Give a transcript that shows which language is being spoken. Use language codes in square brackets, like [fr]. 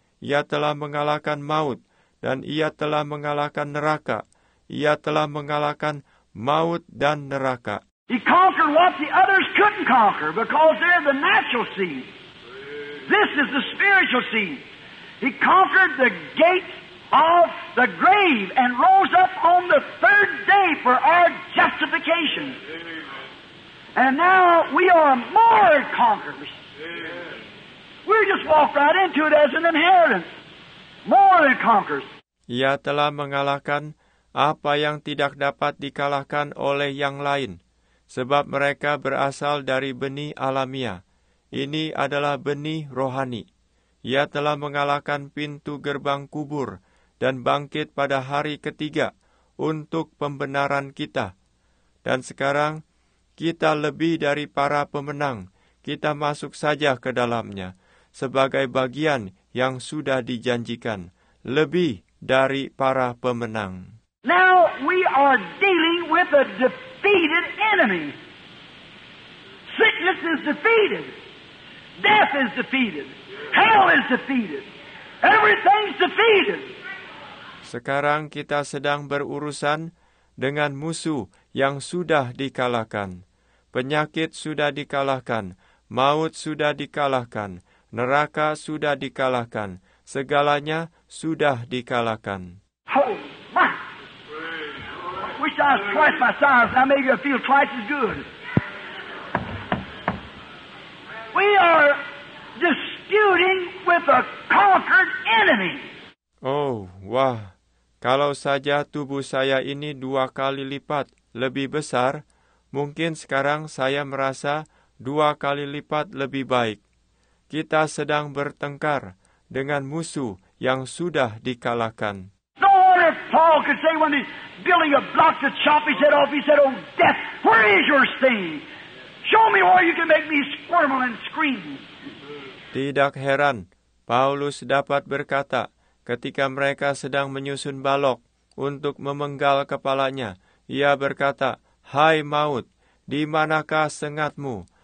[id] Ia telah mengalahkan maut, dan ia telah mengalahkan neraka. Ia telah mengalahkan maut dan neraka. [en] He conquered what the others couldn't conquer, because they're the natural seed. This is the spiritual seed. He conquered the gate of the grave and rose up on the third day for our justification. Amen. And now we are more conquerors. Amen. We just walk right into it as an inheritance. More than conquerors. [id] Ia telah mengalahkan apa yang tidak dapat dikalahkan oleh yang lain, sebab mereka berasal dari benih alamiah. Ini adalah benih rohani. Ia telah mengalahkan pintu gerbang kubur dan bangkit pada hari ketiga untuk pembenaran kita. Dan sekarang, kita lebih dari para pemenang. Kita masuk saja ke dalamnya sebagai bagian yang sudah dijanjikan. Lebih dari para pemenang. [en] Now we are dealing with a defeated enemy. Sickness is defeated. Death is defeated. Hell is defeated. Everything's defeated. [id] Sekarang kita sedang berurusan dengan musuh yang sudah dikalahkan. Penyakit sudah dikalahkan, maut sudah dikalahkan, neraka sudah dikalahkan, segalanya sudah dikalahkan. [en] Oh my! Wish I was twice my size, now maybe I feel twice as good. We are disputing with a conquered enemy. Oh, wah. [id] Kalau saja tubuh saya ini dua kali lipat lebih besar, mungkin sekarang saya merasa dua kali lipat lebih baik. Kita sedang bertengkar dengan musuh yang sudah dikalahkan. [en] No wonder Paul could say when he's building a block to chop his head off, he said, "Oh, death, where is your sting? Show me where you can make me squirm and scream." [id] Tidak heran, Paulus dapat berkata, ketika mereka sedang menyusun balok untuk memenggal kepalanya, ia berkata, "Hai maut, di manakah sengatmu?